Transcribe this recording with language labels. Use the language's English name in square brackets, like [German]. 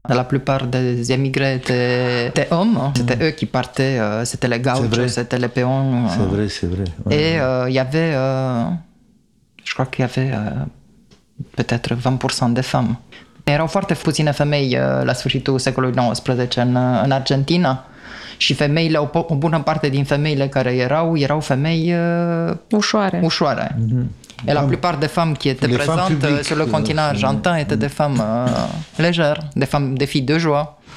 [French] La plupart des émigrés étaient hommes. C'était eux qui partaient, c'était les gauchos, c'était les peons. C'est vrai, c'est vrai. Ouais. Et il y avait, je crois qu'il y avait peut-être 20% de femmes. [Romanian] Erau foarte puține femei la sfârșitul secolului XIX în Argentina și femeile, o bună parte din femeile care erau femei ușoare. Ușoare. [French] Mm-hmm. E la plupart de femme qui était présente sur le continent argentin était de femme légère, de femme de fille de joie.